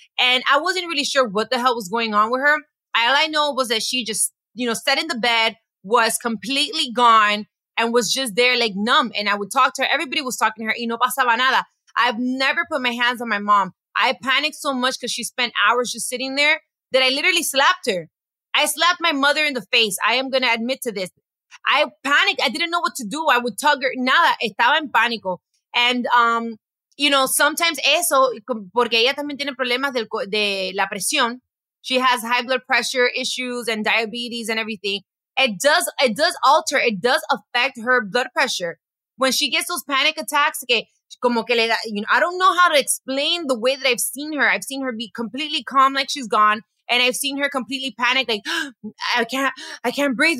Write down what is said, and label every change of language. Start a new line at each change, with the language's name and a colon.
English: And I wasn't really sure what the hell was going on with her. All I know was that she just, you know, sat in the bed, was completely gone, and was just there like numb. And I would talk to her. Everybody was talking to her.
Spanish: Y no pasaba nada.
English: I've never put my hands on my mom. I panicked so much because she spent hours just sitting there that I literally slapped her. I slapped my mother in the face. I am going to admit to this. I panicked. I didn't know what to do. I would tug her.
Spanish: Nada. Estaba en pánico.
English: And, you know, sometimes
Spanish: eso, porque ella también tiene problemas de la presión.
English: She has high blood pressure issues and diabetes and everything. It does alter. It does affect her blood pressure. When she gets those panic attacks, okay,
Spanish: como que le da,
English: you know, I don't know how to explain the way that I've seen her. I've seen her be completely calm, like she's gone. And I've seen her completely panic, like, I can't breathe.